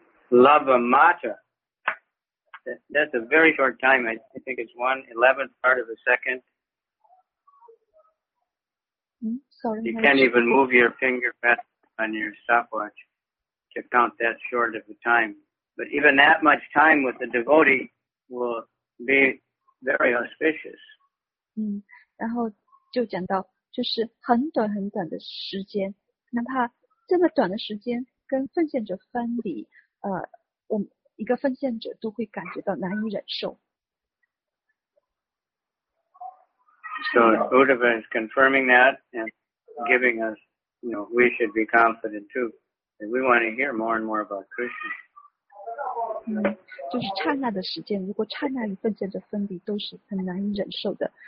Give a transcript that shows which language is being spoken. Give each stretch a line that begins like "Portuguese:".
English: Lava Matra, that's a very short time, I think it's 1/11th part of a second. Sorry, you can't even move your finger fast on your stopwatch to count that short of a time. But even that much time with a devotee will be very auspicious.
Chinese: 然后就讲到就是很短很短的时间，哪怕这么短的时间跟奉献者分离，我们一个奉献者都会感觉到难以忍受。
English: So Uddhava is confirming that and giving us, you know, we should be confident too. And we want to hear more and more about Krishna.
Chinese: 就是刹那的时间，如果刹那里奉献着分离都是很难忍受的。